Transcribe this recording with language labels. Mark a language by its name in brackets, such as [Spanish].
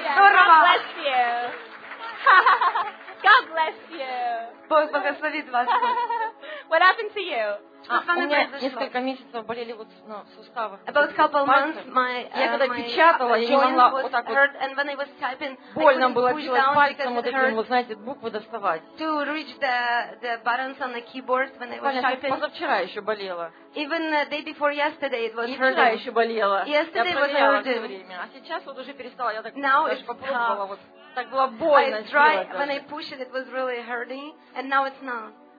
[English] God bless you. God bless you. [Russian] Бог благословит вас. [English] What happened to you? [Russian] Несколько месяцев болели вот в суставах. [English] About a couple months, [Russian] я когда печатала, я могла вот так вот. [English] And when I was typing, [Russian] больно было делать пальцем вот этим, вот знаете, буквы доставать. [English] To reach the buttons on the keyboard when I was typing. [Russian] Позавчера еще болела. [English] Even the day before yesterday it was hurting. [Russian] И вчера еще болела. [English] Yesterday [Russian] я проверяла все время. А сейчас вот уже перестала. Я так [English] now [Russian] даже попробовала вот. Так было больно. [English] I tried when I pushed it was really hurting and now it's not.